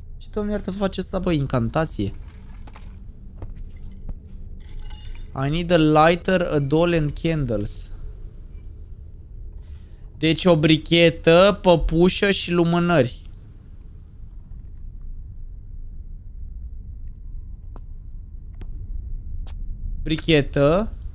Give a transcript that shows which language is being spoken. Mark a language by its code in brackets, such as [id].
[ro] Doamne, iartă, face asta, bă, incantație. [en] I need a lighter, a doll and candles. [ro] Deci o brichetă, păpușă și lumânări. Brichetă.